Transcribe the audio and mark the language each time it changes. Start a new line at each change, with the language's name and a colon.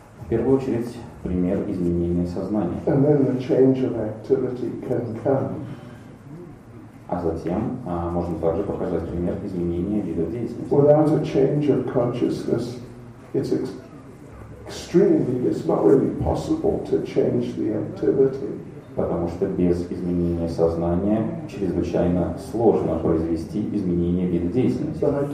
Russian: В первую очередь, пример изменения сознания.
English: And then the change of activity can come.
Russian: А затем можно также показать пример изменения вида деятельности.
English: Without a change of consciousness, it's extremely, it's not really possible to change the activity.
Russian: Потому что без изменения сознания чрезвычайно сложно произвести изменение вида деятельности.